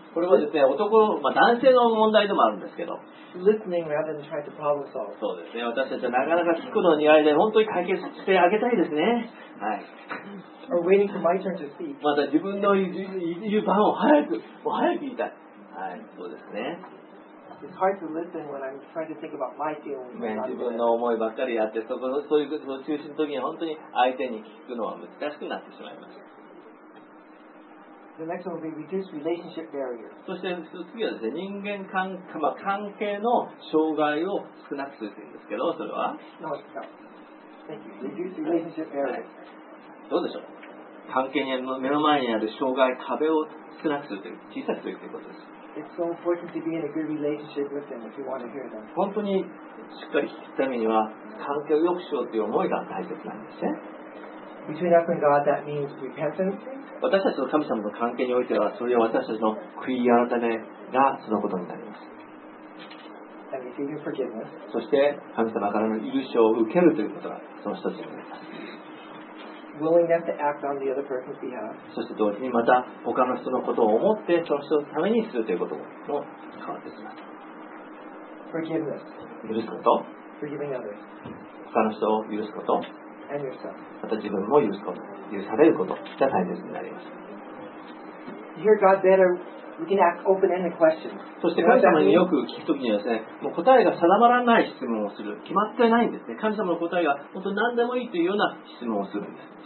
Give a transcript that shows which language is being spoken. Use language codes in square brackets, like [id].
[ja] これはですね、男性の問題でもあるんですけど、 [en] Listening rather than trying to problem solve. [ja] そうですね、私たちはなかなか聞くのに苦手で本当に解決してあげたいですね。はい。 [en] Or waiting for my turn to speak. [ja] また自分の言う番を早く言いたい。はい、そうですね。 [en] It's hard to listen when I'm trying to think about my feelings. [ja] ね、自分の思いばっかりやって、そういう中心の時に本当に相手に聞くのは難しくなってしまいます。 [en] The next one will be reduce relationship barriers. [ja] そして次はですね、人間関係、まあ、関係の障害を少なくするというんですけど、それは。 [en] No, thank you. Reduce relationship barriers. [ja] どうでしょう。関係の目の前にある障害、壁を少なくするという、小さくするということです。 [en] It's so important to be in a good relationship with them if you want to hear them. [ja] 本当にしっかり聞くためには関係を良くしようという思いが大切なんですね。 [en] Between us and God, that means repentance. [ja] 私たちと神様の関係においては、それは私たちの悔い改めがそのことになります。 [en] And receiving forgiveness. [ja] そして神様からの許しを受けるということがその一つになります。 [en] Willingness to act on the other person's behalf. [ja] そして同時にまた他の人のことを思ってその人のためにするということも変わってきます。 [en] Forgiveness. [ja] 許すこと。 [en] Forgiving others. [ja] 他の人を許すこと。 [en] And yourself. [ja] また自分も許すこと。許されることが大切になります。 [en] You hear God better, we can ask open-ended questions. [ja] そして神様によく聞くときにはですね、もう答えが定まらない質問をする。決まってないんですね。神様の答えが本当に何でもいいというような質問をするんです。